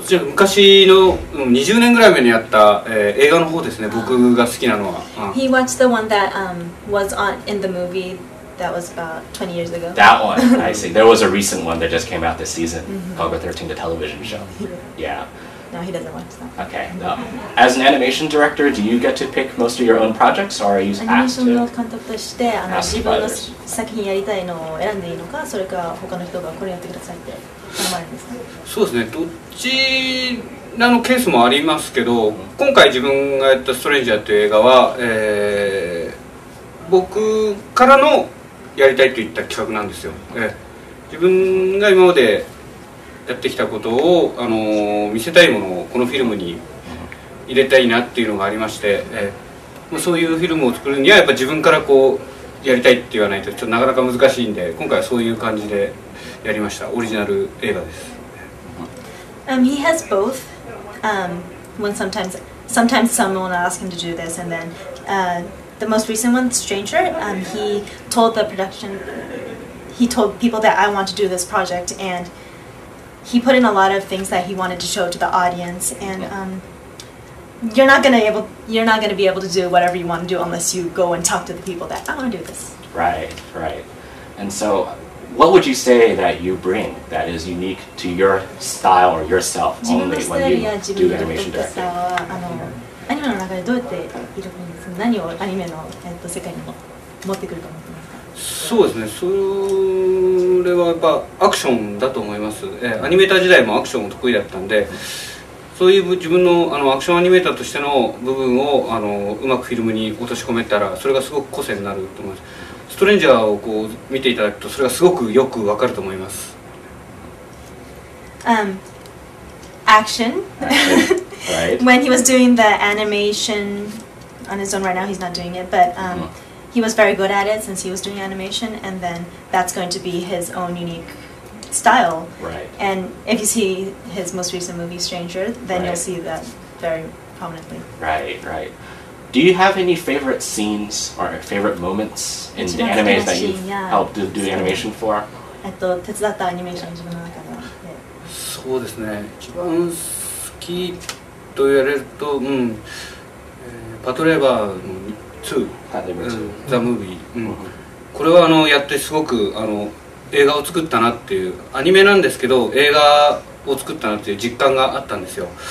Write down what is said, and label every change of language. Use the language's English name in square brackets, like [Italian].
[Japanese] 昔の20年ぐらい前にやった、映画の方ですね。僕が好きなのは。 [English] He watched the one that was on in the movie that was about 20 years ago. That one, I see. There was a recent one that just came out this season, Golgo 13, the television show. Yeah. No, he doesn't watch that. Okay. As an animation director, do you get to pick most of your own projects, or are you asked to? [Japanese] Animation の監督として、自分の作品やりたいのを選んでいいのか、それか他の人がこれやってくださいって頼まれるんですか？そうですね。どっちらのケースもありますけど、今回自分がやったストレンジャーという映画は、僕からのやりたいといった企画なんですよ。自分が今までやってきたことを見せたいものをこのフィルムに入れたいなっていうのがありまして、そういうフィルムを作るにはやっぱ自分からこうやりたいって言わないとちょっとなかなか難しいんで、今回はそういう感じでやりました。オリジナル映画です。 [English] He has both. When sometimes someone asks him to do this, and then the most recent one, Stranger. He told people that I want to do this project and. He put in a lot of things that he wanted to show to the audience, and you're not gonna be able to do whatever you want to do unless you go and talk to the people that I want to do this. Right, right. And so, what would you say that you bring that is unique to your style or yourself only when you do animation directing? [Japanese] 自分のスタイルや自分のスタイルはあのアニメの中でどうやっているんですか？何をアニメの世界にも持ってくると思ってますか？そうですね。それはやっぱアクションだと思います。アニメーター時代もアクションも得意だったんで、そういう自分 の, あのアクションアニメーターとしての部分をあのうまくフィルムに落とし込めたら、それがすごく個性になると思います。ストレンジャーをこう見ていただくと、それがすごくよくわかると思います。 [English] Action. Right. When he was doing the animation on his own right now, he's not doing it, but he was very good at it since he was doing animation, and then that's going to be his own unique style. Right. And if you see his most recent movie, Stranger, then right. you'll see that very prominently. Right, right. Do you have any favorite scenes or favorite moments in the anime that you've helped do animation for? [Japanese] 手伝ったアニメーション自分の中では。そうですね。一番好きと言われると、うん、パトレーバーの2、ザ・ムービー。これはあのやってすごくあの映画を作ったなっていう、アニメなんですけど映画を作ったなっていう実感があったんですよ。